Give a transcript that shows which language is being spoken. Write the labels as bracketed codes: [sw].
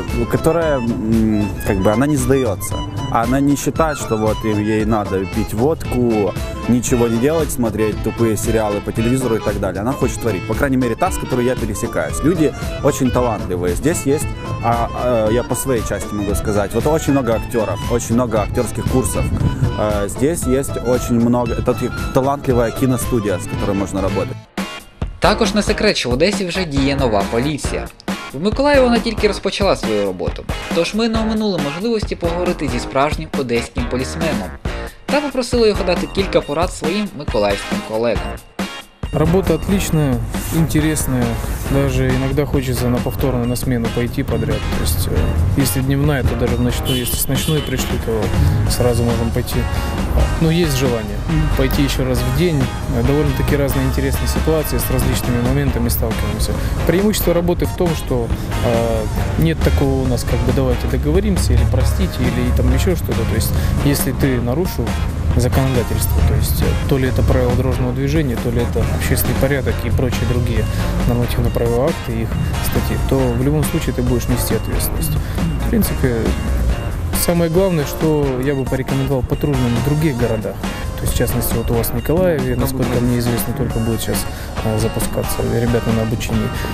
[ru] Которая, как бы, она не сдается. Она не считает, что вот ей надо пить водку, ничего не делать, смотреть тупые сериалы по телевизору и так далее. Она хочет творить. По крайней мере, та, с которой я пересекаюсь. Люди очень талантливые. Здесь есть, я по своей части могу сказать, вот очень много актеров, очень много актерских курсов. Здесь есть очень много, это талантливая киностудия, с которой можно работать. [uk] Також не секрет, що в Одесі вже діє нова поліція. В Миколаїві вона тільки розпочала свою роботу, тож ми не оминули можливості поговорити зі справжнім одеським полісменом та попросили його дати кілька порад своїм миколаївським колегам. Робота отлична, цікава, навіть іноді хочеться на повторну, на зміну пойти підряд. Тобто, якщо днівна, то навіть ночну, якщо з ночної прийшли, то одразу можемо пойти. Ну, є бажання пойти ще раз в день. Доволі таки різні цікаві ситуації з різними моментами сталкиваємося. [ru] Преимущество [uk] роботи в тому, що [ru] нет такого у нас, [uk] як би, давайте договоримося, або простите, або там ще щось. Тобто, якщо ти нарушив [ru] законодательство, то есть то ли это правила дорожного движения, то ли это общественный порядок и прочие другие нормативно-правовые акты, их статьи, то в любом случае ты будешь нести ответственность. В принципе, самое главное, что я бы порекомендовал патрульным в других городах, то есть в частности вот у вас в Николаеве, насколько мне известно, только будет сейчас запускаться ребята на обучении.